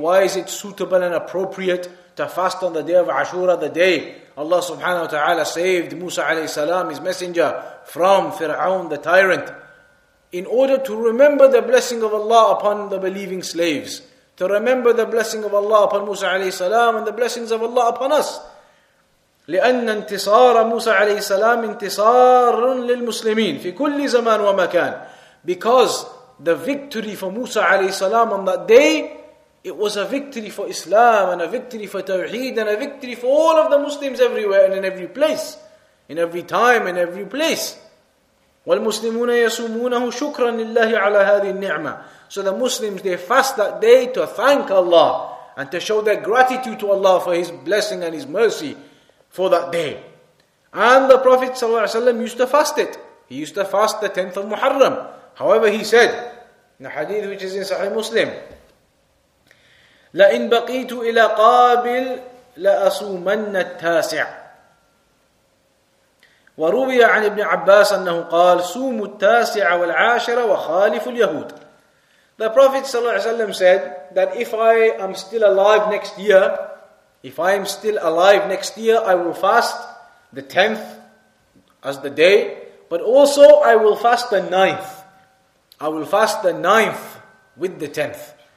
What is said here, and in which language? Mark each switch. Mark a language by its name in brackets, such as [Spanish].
[English] Why is it suitable and appropriate to fast on the day of Ashura, the day Allah subhanahu wa ta'ala saved Musa alayhi salam, his messenger, from Fir'aun the tyrant? In order to remember the blessing of Allah upon the believing slaves, to remember the blessing of Allah upon Musa alayhi salam and the blessings of Allah upon us. [Arabic] لأن انتصار موسى عليه السلام انتصار للمسلمين في كل زمان ومكان. [English] Because the victory for Musa alayhi salam on that day, it was a victory for Islam and a victory for Tawheed and a victory for all of the Muslims everywhere and in every place, in every time, in every place. [Arabic] وَالْمُسْلِمُونَ يَسُومُونَهُ شُكْرًا لِلَّهِ عَلَى هَذِهِ النِّعْمَةِ. [English] So the Muslims, they fast that day to thank Allah and to show their gratitude to Allah for His blessing and His mercy for that day. And the Prophet ﷺ used to fast it. He used to fast the 10th of Muharram. However, he said, in a hadith which is in Sahih Muslim, [Arabic] لَإِنْ بَقِيتُ إِلَىٰ قَابِلْ لَأَصُومَنَّ التَّاسِعِ. وروي عن ابن عباس أنه قال سوم التاسع والعاشرة وخالف اليهود. [English] The Prophet صلى الله عليه وسلم said that if I am still alive next year, if I am still alive next year, I will fast the 10th as the day, but also I will fast the 9th. I will fast the 9th with the 10th.